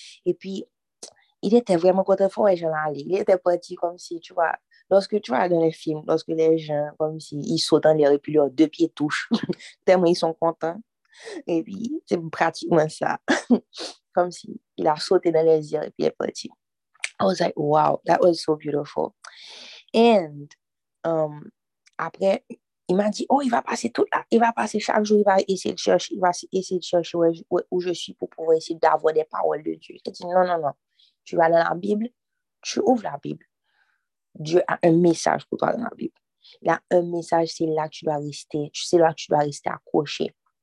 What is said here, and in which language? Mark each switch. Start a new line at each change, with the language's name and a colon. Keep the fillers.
French: Et puis, il était vraiment content pour les gens Il était parti comme si, tu vois, lorsque tu vois dans les films, lorsque les gens, comme si ils sautent dans l'air et puis leurs deux pieds touchent, tellement ils sont contents. Et puis, c'est pratiquement ça. comme si il a sauté dans les airs et puis il est parti.
English: I was like, wow, that was so beautiful.
French: And, um, après, il m'a dit, oh, il va passer tout là. Il va passer chaque jour, il va essayer de chercher, il va essayer de chercher où, je suis pour pouvoir essayer d'avoir des paroles de Dieu. J'ai dit, non, non, non. Tu vas dans la Bible, tu ouvres la Bible. Dieu a un message pour toi dans la Bible. Il a un message, c'est là que tu dois rester. Tu sais là que tu dois rester accroché.